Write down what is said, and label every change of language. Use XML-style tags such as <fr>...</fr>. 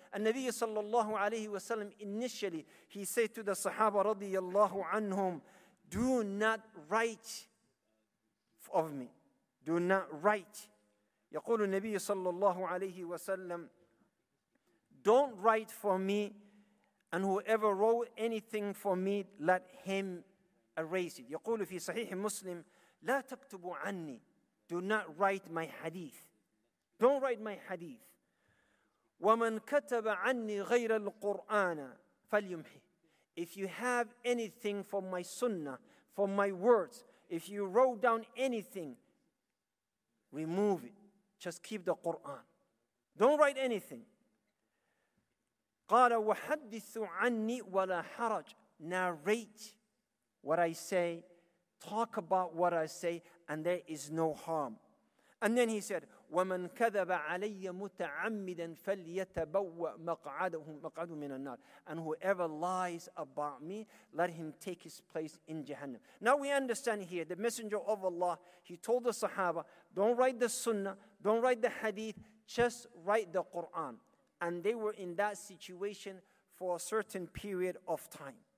<ar>النبي صلى الله عليه وسلم</ar> <en>initially, he said to the Sahaba</en> <ar>رضي الله عنهم,</ar> <en>do not write of me. Do not write.</en> <ar>يقول النبي صلى الله عليه وسلم,</ar> <en>don't write for me, and whoever wrote anything for me, let him erase it.</en> <ar>يقول في صحيح مسلم, لا تكتب عني.</ar> <en>Do not write my hadith. Don't write my hadith.</en> <ar>وَمَنْ كَتَبَ عَنِّي غَيْرَ الْقُرْآنَ فَلْيُمْحِي.</ar> <en>If you have anything from my sunnah, from my words, if you wrote down anything, remove it. Just keep the Qur'an. Don't write anything.</en> <ar>قَالَ وَحَدِّثُ عَنِّي وَلَا حَرَجْ.</ar> <en>Narrate what I say, talk about what I say, and there is no harm. And then he said,</en> <ar>وَمَنْ كَذَبَ عَلَيَّ مُتَعَمِّدًا فَلْيَتَبَوَّ مَقْعَدُ مِنَ النَّارِ.</ar> <en>And whoever lies about me, let him take his place in Jahannam. Now we understand here, the Messenger of Allah, he told the Sahaba, don't write the Sunnah, don't write the Hadith, just write the Quran. And they were in that situation for a certain period of time.</en>